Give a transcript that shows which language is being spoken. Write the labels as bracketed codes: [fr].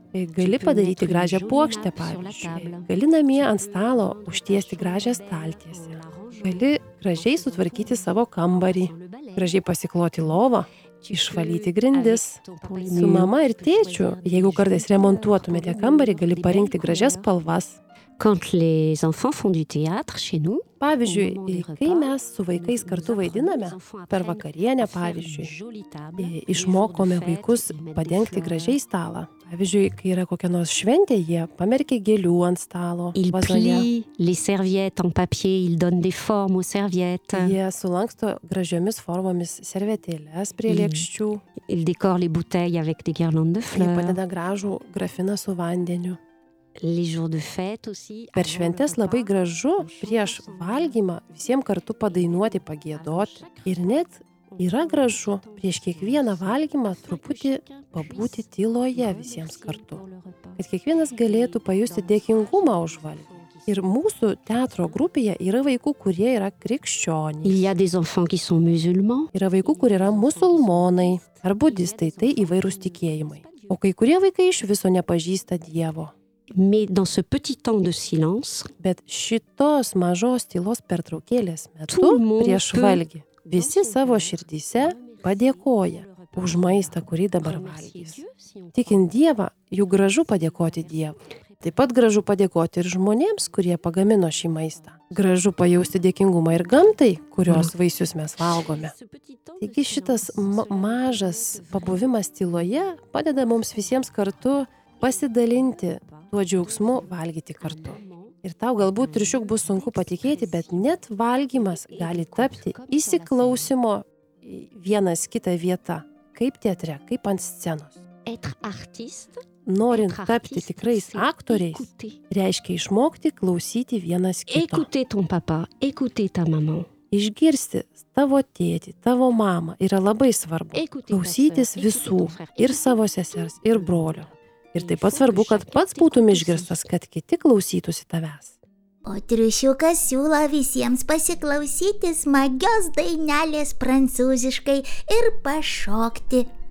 [lt] Gali padaryti gražią puokštę, pavyzdžiui. Gali namie ant stalo užtiesti gražią staltiesę. Gali gražiai sutvarkyti savo kambarį, gražiai pasikloti lovą, išvalyti grindis. Su mama ir tėčiu, jeigu kartais remontuotumėte kambarį, gali parinkti gražias spalvas. [fr] Quand les enfants font du théâtre chez nous, [lt] pavyzdžiui, kai mes su vaikais kartu vaidiname, per vakarienę, pavyzdžiui, išmokome vaikus padengti gražiai stalą. Pavyzdžiui, kai yra kokia nors šventė, jie pamerkia gėlių ant stalo. [fr] Il plie les serviettes en papier, il donne des formes aux serviettes. [lt] Jie sulanksto gražiomis formomis servetėlės prie lėkščių. [fr] Il décore les bouteilles avec des guirlandes de fleurs. [lt] Jie padeda gražų grafiną su vandeniu. [fr] Les jours de fête aussi. [lt] Per šventes labai gražu prieš valgymą visiems kartu padainuoti, pagiedoti. Ir net yra gražu prieš kiekvieną valgymą truputį pabūti tyloje visiems kartu. Kad kiekvienas galėtų pajusti dėkingumą už valgymą. Ir mūsų teatro grupėje yra vaikų, kurie yra krikščionys. [fr] Il y a des enfants qui sont musulmans. [lt] Yra vaikų, kurie yra musulmonai ar budistai, tai įvairūs tikėjimai. O kai kurie vaikai iš viso nepažįsta Dievo. [fr] Mais dans ce petit temps de silence, [lt] bet šitos mažos tylos pertraukėlės metu prieš valgį visi savo širdyse padėkoja už maistą, kurį dabar valgys. Tikint Dievą, juk gražu padėkoti Dievui. Taip pat gražu padėkoti ir žmonėms, kurie pagamino šį maistą. Gražu pajausti dėkingumą ir gamtai, kurios vaisius mes valgome. Taigi šitas mažas pabuvimas tyloje padeda mums visiems kartu pasidalinti tuo džiaugsmu valgyti kartu. Ir tau galbūt triušiuk bus sunku patikėti, bet net valgymas gali tapti įsiklausimo vienas kitą vietą, kaip teatre, kaip ant scenos. [fr] Être artiste [lt] norint tapti tikrais aktoriais, reiškia išmokti klausyti vienas kitą. [fr] Écouter ton papa, écouter ta maman. [lt] Išgirsti tavo tėtį, tavo mamą yra labai svarbu. Klausytis visų, ir savo sesers, ir brolio. Ir taip pat svarbu, kad pats būtum išgirstas, kad kiti klausytųsi tavęs. O triušiukas siūlo visiems pasiklausyti smagios dainelės prancūziškai ir pašokti.